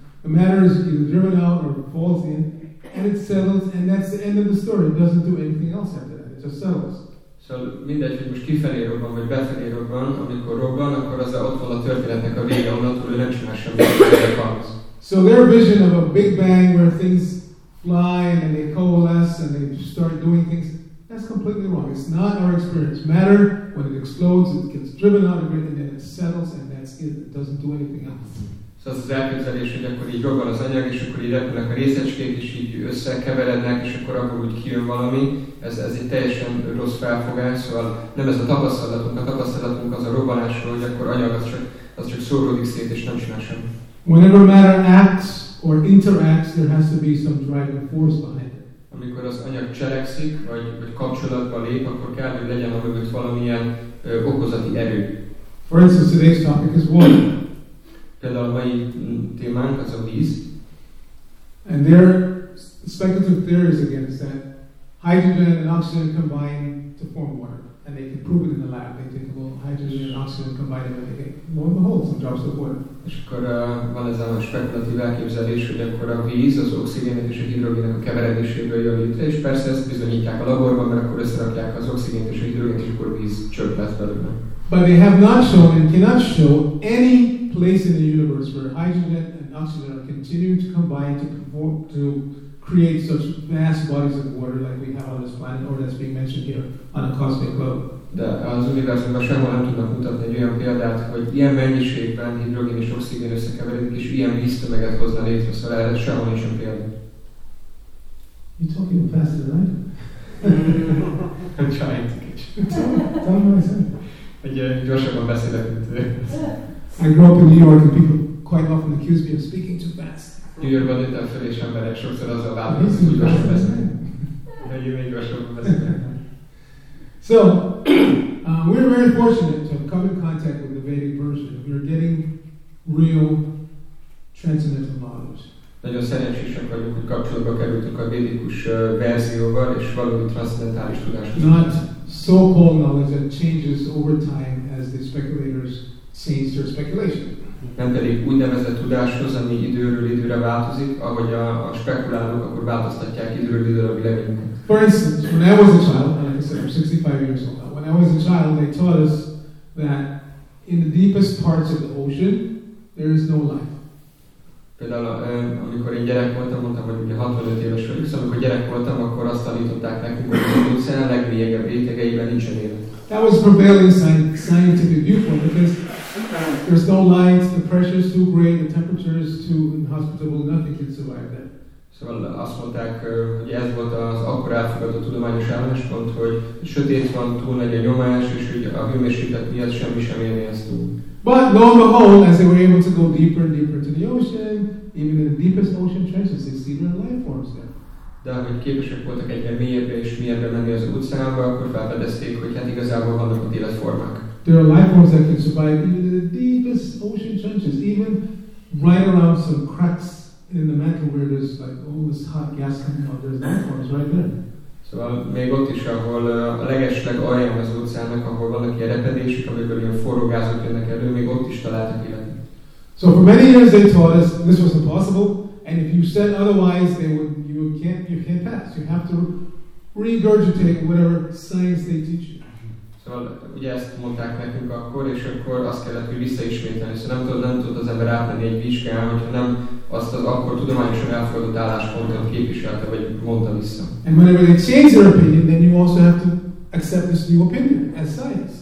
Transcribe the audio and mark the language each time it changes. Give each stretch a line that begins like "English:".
English: The matter is either driven out or it falls in, and it settles, and that's the end of the story. It doesn't do anything else after that. It just settles.
Hungarian: Szóval mindegy, hogy most kifelé robban, vagy befelé robban, amikor robban, akkor az ott van a történetnek a vége, onnantól, hogy nem csinál semmit.
English: So their vision of a big bang where things fly and then they coalesce and they start doing things, that's completely wrong. It's not our experience. Matter, when it explodes, it gets driven out of it and then it settles and that's it. It doesn't do anything else.
Hungarian: So az az elképzelés, hogy akkor így robban az anyag, és akkor így repülnek a részecskék, és így összekeverednek, és akkor abból úgy kijön valami. Ez egy teljesen rossz felfogás, szóval nem ez a tapasztalatunk. A tapasztalatunk az a robbanásról, hogy akkor anyag az csak szóródik szét, és nem csinál semmi.
English: Whenever matter acts or interacts, there has to be some driving force behind it.
Hungarian: Amikor az anyag cselekszik, vagy kapcsolatba lép, akkor kell, hogy legyen a mögött valamilyen okozati erő.
English: For instance, today's topic is water.
Hungarian: Például a mai témánk az a víz.
English: And there are speculative theories against that. Hydrogen and oxygen combine to form water. And they can prove it in the lab. They think, well, hydrogen and oxygen combine, and they think, lo and behold, some drops of water.
Hungarian: És akkor van ez a spekulatív elképzelés, hogy akkor a víz az oxigénet és a hidrogénet a keveredéséből jön létre, és persze ezt bizonyítják a laborban, mert akkor összerakják az oxigénet és a hidrogénet, és akkor a víz csöpp lesz belőle.
English: But they have not shown and cannot show any place in the universe where hydrogen and oxygen are continuing to combine to create such vast bodies of water like we have on this planet or that's being mentioned here on a cosmic globe.
Hungarian: De az univerzumban sehol nem tudnak mutatni egy olyan példát, hogy ilyen mennyiségben hidrogén és oxigén összekeveredik, és ilyen víztömeget hozna létre, szóval erre sehol nincs olyan példa.
English: You're talking faster, right? I'm trying to catch it. Tell me what I said.
Hungarian: Hogy gyorsabban beszélek, mint ő.
English: I grew up in New York and people quite often accuse me of speaking too fast.
Hungarian: New Yorkban nőttem fel, és emberek sokszor azzal vádolnak, hogy gyorsabban beszélek. Hogy én még gyorsabban beszélek.
English: So, we're very fortunate to have come in contact with the Vedic version. We're getting real transcendental knowledge.
Hungarian: Nagyon szerencsések vagyunk, hogy kapcsolatba kerültünk a védikus verzióval, és valami transzendentális tudást.
English: Not so-called knowledge that changes over time as the speculators change their speculation.
Hungarian: Nem pedig úgynevezett tudáshoz, ami időről időre változik, ahogy a spekulálók akkor változtatják időről időre a véleményüket.
English: For instance, when I was a child, and like I said, I'm 65 years old now, when I was a child, they taught us that in the deepest parts of the ocean, there is no life.
Hungarian: Például, amikor én gyerek voltam, mondtam, hogy ugye 65 éves vagyok, szóval amikor gyerek voltam, akkor azt tanították nekünk, hogy az óceán a legmélyebb rétegeiben nincsen élet.
English: That was prevailing scientific viewpoint, because there's no light, the pressure is too great, the temperature is too inhospitable, nothing can survive that.
Hungarian: Szóval azt mondták, hogy ez volt az akkor elfogadott tudományos álláspont, hogy sötét van, túl nagy a nyomás, és hogy a hőmérséklet miatt semmi sem érni ezt túl.
English: But lo and behold, as they were able to go deeper and deeper to the ocean, even in the deepest ocean trenches, they see their life forms there.
Hungarian: De hogy képesek voltak egyre mélyebbre és mélyebbre menni az óceánba, akkor felfedezték, hogy hát igazából vannak ott életformák.
English: There are life forms that can survive even in the deepest ocean trenches, even right around some cracks in the mantle where there's like all this hot gas coming out, there's life forms right there.
Hungarian: Szóval még ott is, ahol a legesleg alján az óceánnak, ahol vannak ilyen repedések, amiből ilyen forró gázok jönnek elő, még ott is találtak életet.
English: So for many years they taught us this was impossible, and if you said otherwise, they would, you can't pass. You have to regurgitate whatever science they teach you.
Hungarian: Szóval ugye ezt mondták nekünk akkor, és akkor azt kellett, hogy visszaismételni. Szóval nem tud az ember átmenni egy vizsgán, hogyha nem azt az akkor tudományosan elfogadott álláspontot képviselte, vagy mondta vissza.
English: And whenever they change their opinion, then you also have to accept this new opinion as science.